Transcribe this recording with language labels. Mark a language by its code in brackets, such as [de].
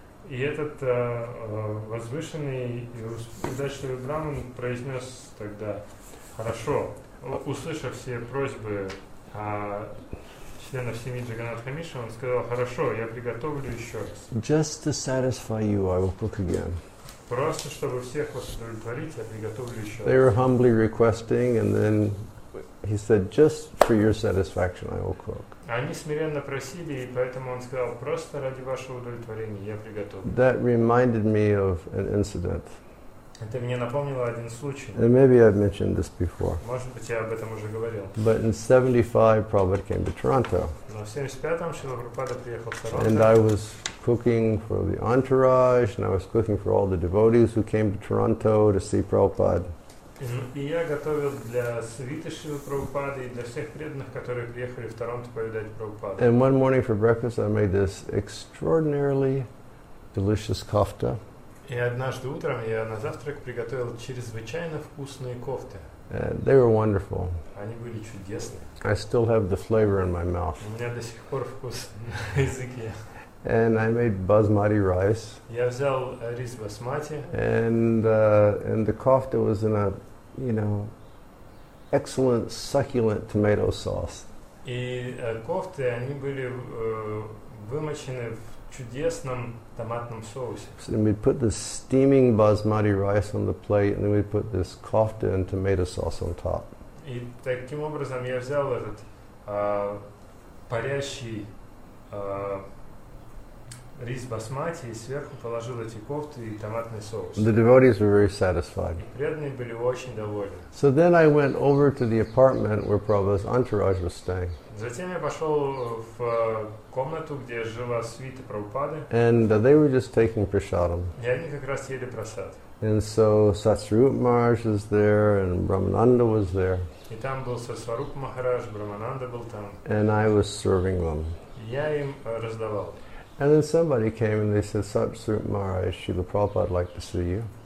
[ru] И этот возвышенный и удачливый Брахман произнес тогда, хорошо, услышав все просьбы членов семьи Джагнатха Мишры, он сказал, хорошо, я приготовлю еще раз. [en] Just to satisfy you, I will cook again. [ru] Просто чтобы всех вас удовлетворить, я приготовлю еще раз. [en] They were humbly requesting, and then he said, just for your satisfaction, I will cook. [ru] Они смиренно просили, и поэтому он сказал, просто ради вашего удовлетворения, я приготовлю. [en] That reminded me of an incident. [ru] Это мне напомнило один случай. [en] And maybe I've mentioned this before. [ru] Может быть, я об этом уже говорил. [en] But in 75, Prabhupada came to Toronto. [ru] Но в 75-м Шрила Прабхупада приехал в Торонто. [en] And I was cooking for the entourage, and I was cooking for all the devotees who came to Toronto to see Prabhupada. [ru] И я готовил для свиты Шрилы Прабхупады и для всех преданных, которые приехали в Торонто повидать Прабхупаду. [en] And one morning for breakfast I made this extraordinarily delicious kofta. [ru] И однажды утром я на завтрак приготовил чрезвычайно вкусные кофты. [en] They were wonderful. [ru] Они были чудесны. [en] I still have the flavor in my mouth. [ru] У меня до сих пор вкус на языке. [en] And I made basmati rice. [ru] Я взял рис басмати. [en] And the kofta was in a, you know, excellent succulent tomato sauce. [ru] И кофты, они были вымочены в чудесном томатном соусе. [en] So then we'd put the steaming basmati rice on the plate, and then we'd put this kofta and tomato sauce on top. [ru] И таким образом я взял этот парящий рис басмати и сверху положил эти кофты и томатный соус. [en] The devotees were very satisfied. [ru] Преданные были очень довольны. [en] So then I went over to the apartment where Prabhupada's entourage was staying. [ru] Затем я пошел в комнату, где жила свита Прабхупады. [en] And they were just taking prasadam. [ru] И они как раз ели прасад. [en] And so Satsarup Maharaj was there and Brahmananda was there. [ru] И там был Сарсварупа Махарадж, Брахмананда был там. [en] And I was serving them. [ru] Я им раздавал. [en] And then somebody came and they said, Satsarup Maharaj, Srila Prabhupada would like to see you.